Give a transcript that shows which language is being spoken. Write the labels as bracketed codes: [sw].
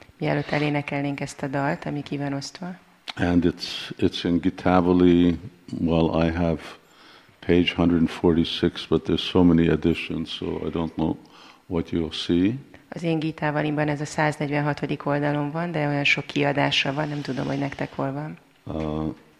[hu] Mielőtt elénekelnénk ezt a dalt, ami ki van osztva. [en] And it's in Gitavali. Well, I have page 146, but there's so many editions, so I don't know what you'll see. [hu] Az én Gitavalimban ez a 146. oldalon van, de olyan sok kiadása van, nem tudom, hogy nektek hol van.